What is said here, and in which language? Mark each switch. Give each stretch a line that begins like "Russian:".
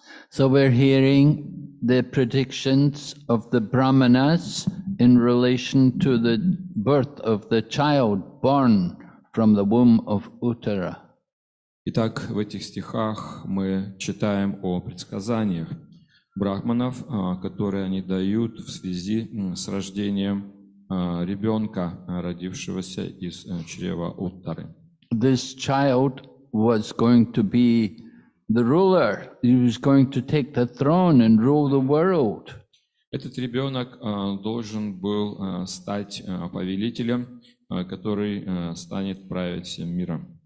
English: So we're hearing the predictions of the Brahmanas in relation to the birth of the child born from the womb of Uttara.
Russian: Итак, в этих стихах мы читаем о предсказаниях брахманов, которые они дают в связи с рождением ребенка, родившегося из чрева Уттары.
English: This child was going to be the ruler. He was going to take the throne and rule the world.
Russian: Этот ребенок должен был стать повелителем, который станет править всем миром.